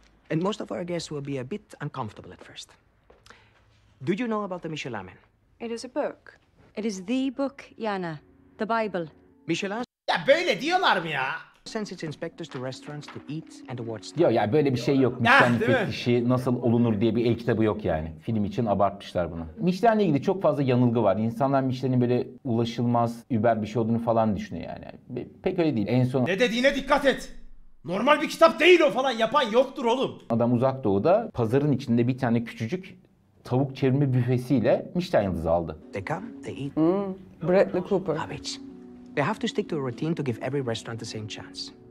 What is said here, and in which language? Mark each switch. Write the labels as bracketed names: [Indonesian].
[English] And most of our guests will be a bit uncomfortable at first. Do you know about the Michelin? It is a book. It is the book, Yana. The Bible. Michelin? [Turkish] Ya böyle diyorlar mı ya? [English] Sends its inspectors to restaurants to eat and award [Turkish] staff. Yok ya, böyle bir şey yok. Michelin müfettişi nasıl olunur diye bir el kitabı yok yani. Film için abartmışlar bunu. Michelin'le ilgili çok fazla yanılgı var. İnsanlar Michelin'in böyle ulaşılmaz, über bir şey olduğunu falan düşünüyor yani. Pek öyle değil. En son... Ne dediğine dikkat et! Normal bir kitap değil o falan, yapan yoktur oğlum. Adam uzak doğuda pazarın içinde bir tane küçücük tavuk çevirme büfesiyle Michelin yıldızı aldı. [English] They come, they eat. Bradley Cooper. They have to stick to a routine to give every restaurant the same chance.